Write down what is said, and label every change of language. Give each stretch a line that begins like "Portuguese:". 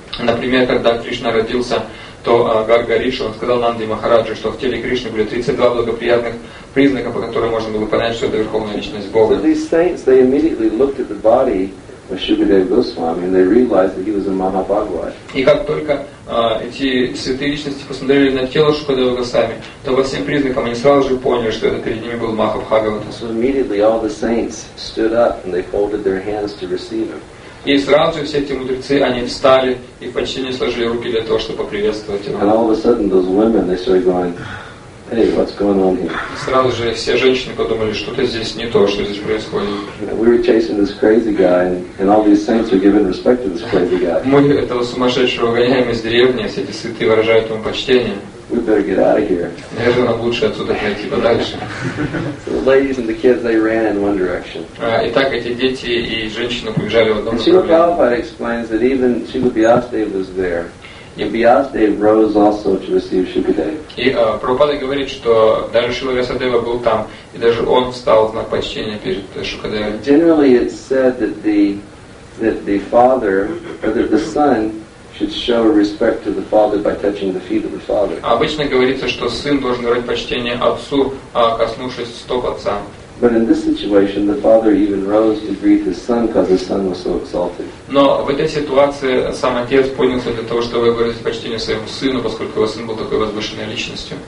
Russian: Например, когда Кришна родился, то Гарга Риши, он сказал Нанде Махараджи, что в теле Кришны были 32 благоприятных признака, по которым можно было понять, что это Верховная Личность Бога.
English: So these saints, they immediately looked at the body of Shukadeva Goswami and they realized that he was a Mahabhagavat.
Russian: И как только эти святые личности посмотрели на тело Шукадева Госвами, то по всем признакам они сразу же поняли, что это перед ними был Махабхагавата.
English: So immediately all the saints stood up and they folded their hands to receive him.
Russian: И сразу все эти мудрецы, они встали и почти не сложили руки для того, чтобы поприветствовать его.
English: And all of a sudden those women, they started going, hey, what's going on here?
Russian: И сразу же все женщины подумали, что-то здесь не то, что здесь происходит.
English: We were chasing this crazy guy, and all these saints were giving respect to this crazy guy.
Russian: Мы этого сумасшедшего гоняем из деревни, все эти святые выражают ему почтение.
English: we better get out of here. So the ladies and the kids, they ran in one direction. And Srila Prabhupada explains that even Srila Vyasadeva was there. And Vyasadeva rose also to receive Shukadeva. Generally it's said that the father, or that the son, should show respect to the father by touching the feet of the father.
Russian: Обычно говорится, что сын должен дать почтение отцу, коснувшись стоп отца.
English: But in this situation, the father even rose to greet his son because his son was so exalted.
Russian: Но в этой ситуации сам отец поднялся для того, чтобы выразить почтение своему сыну, поскольку его сын был такой возвышенной личностью.